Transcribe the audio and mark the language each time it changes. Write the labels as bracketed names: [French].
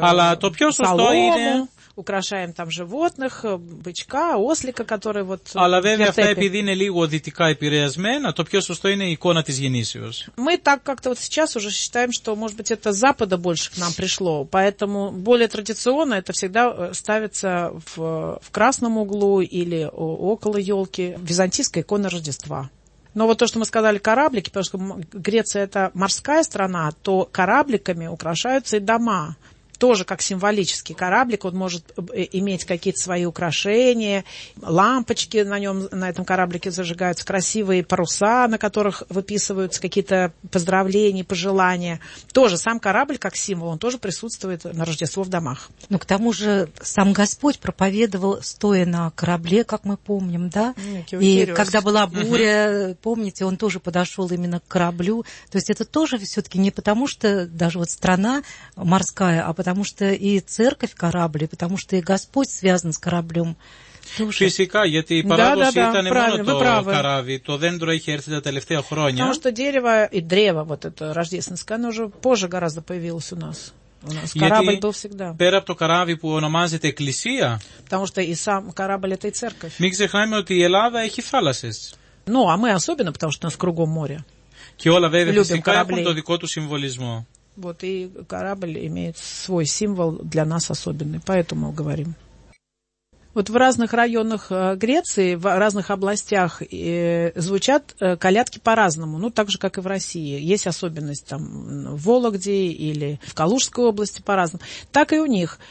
[Greek] Αλλά το πιο σωστό είναι... [Russian] Украшаем там животных, бычка, ослика, который вот... [Greek] Αλλά βέβαια αυτά επειδή είναι λίγο δυτικά επηρεασμένα, το πιο σωστό είναι η εικόνα της γεννήσεως. [Russian] Мы так как-то вот сейчас уже считаем, что, может быть, это с Запада больше к нам пришло, поэтому более традиционно это всегда ставится в красном углу или около елки византийская икона Рождества. Но вот то, что мы сказали, кораблики, потому что Греция это морская страна, то корабликами украшаются и дома. Тоже как символический кораблик, он может иметь какие-то свои украшения, лампочки на нем, на этом кораблике зажигаются, красивые паруса, на которых выписываются какие-то поздравления, пожелания. Тоже сам корабль как символ, он тоже присутствует на Рождество в домах. Ну, к тому же сам Господь проповедовал, стоя на корабле, как мы помним, да? И когда была буря, помните, он тоже подошел именно к кораблю. То есть это тоже все-таки не потому, что даже вот страна морская, а потому что и церковь корабль, потому что и Господь связан с кораблем. [Greek] Φυσικά, γιατί η παράδοση ήταν μόνο το καράβι. Το δέντρο είχε έρθει τα τελευταία χρόνια. [Russian] Потому что дерево и древо, вот это рождественское, оно уже позже гораздо появилось у нас. Корабль был всегда. [Greek] Πέρα από το καράβι που ονομάζεται εκκλησία. [Russian] Потому что и сам корабль это и церковь. [Greek] Μην ξεχνάμε ότι η Ελλάδα έχει θάλασσες. [Russian] Ну, а мы особенно, потому что у нас кругом море. [Greek] Και όλα βέβαια φυσικά έχουν το δικό του συμβολισμό. [Russian] Вот и корабль имеет свой символ для нас особенный, поэтому говорим. Вот в разных районах Греции, в разных областях звучат колядки по-разному, ну так же, как и в России. Есть особенность там в Вологде или в Калужской области по-разному, так и у них.